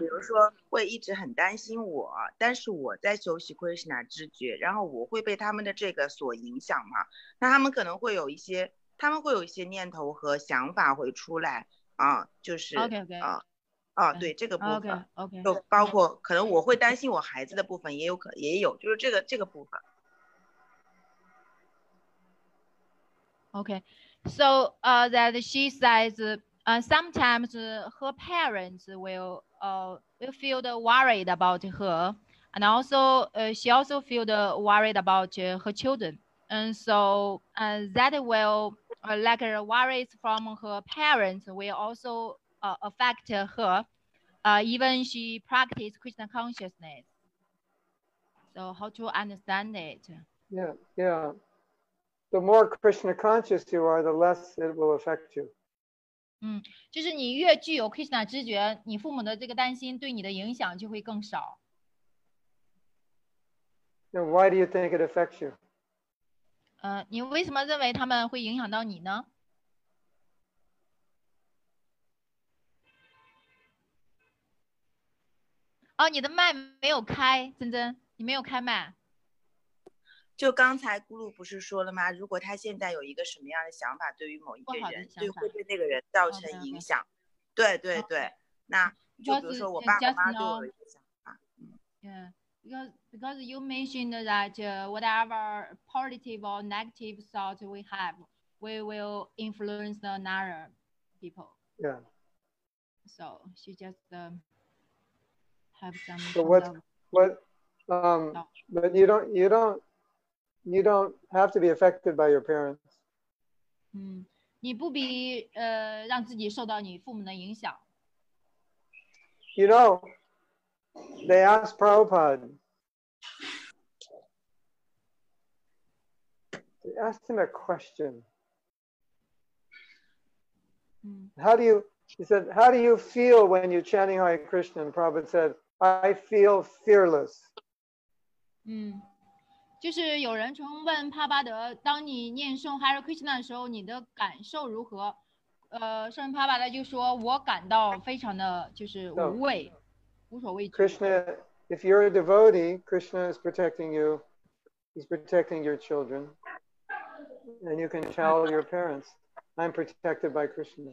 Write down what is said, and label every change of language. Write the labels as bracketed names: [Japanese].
[Chinese] 比如说会一直很担心我，但是我在修习 Krishna 知觉，然后我会被他们的这个所影响吗？那他们可能会有一些他们会有一些念头和想法会出来啊，就是 [English] okay. [Chinese] 啊，对这个部分 [English] okay. OK， [Chinese] 就包括可能我会担心我孩子的部分，也有可也有，就是这个部分。 [English] OK， so that she says, sometimes her parents will feel worried about her, and also she also feel worried about her children, and so that will like worries from her parents will also affect her, even she practice Krishna consciousness. So how to understand it? Yeah, yeah. The more Krishna conscious you are, the less it will affect you. [Chinese] 就是你越具有 Krishna 知觉，你父母的这个担心对你的影响就会更少。 [English] Now, why do you think it affects you? [Chinese] 你为什么认为他们会影响到你呢？哦，你的麦没有开，珍珍，你没有开麦。就刚才咕噜不是说了吗，如果他现在有一个什么样的想法，对于某一个人对会对那个人造成影响。 [English] Okay, okay. [Chinese] 对对对、oh. 那就比如说我爸我妈对我的想法。 [English] Because you mentioned that whatever positive or negative thoughts we have, we will influence another people. Yeah. So she just have some. So what? What? But you don't have to be affected by your parents. [Chinese] 你不必让自己受到你父母的影响。 [English] You know, they asked Prabhupada. They asked him a question. How do you feel when you're chanting Hare Krishna? And Prabhupada said, I feel fearless. [Chinese] 就是有人从问帕巴德，当你念诵 Hare Krishna 的时候，你的感受如何？圣帕巴德就说，我感到非常的就是无畏，无所畏惧。 [English] Krishna, if you're a devotee, Krishna is protecting you. He's protecting your children. And you can tell your parents, I'm protected by Krishna.